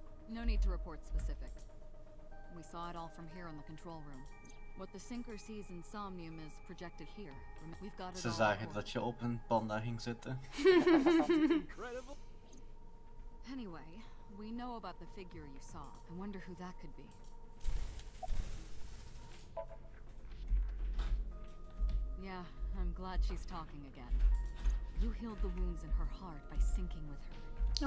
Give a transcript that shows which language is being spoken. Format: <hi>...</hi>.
<en>No need to report specifics. We saw it all from here in the control room. What the Sinker sees in Somnium is projected here. We've got it all.</en> <nl>Ze zagen dat je op een panda ging zitten.</nl> <en>Incredible. Anyway, we know about the figure you saw. I wonder who that could be. Yeah, I'm glad she's talking again. You healed the wounds in her heart by syncing with her.</en>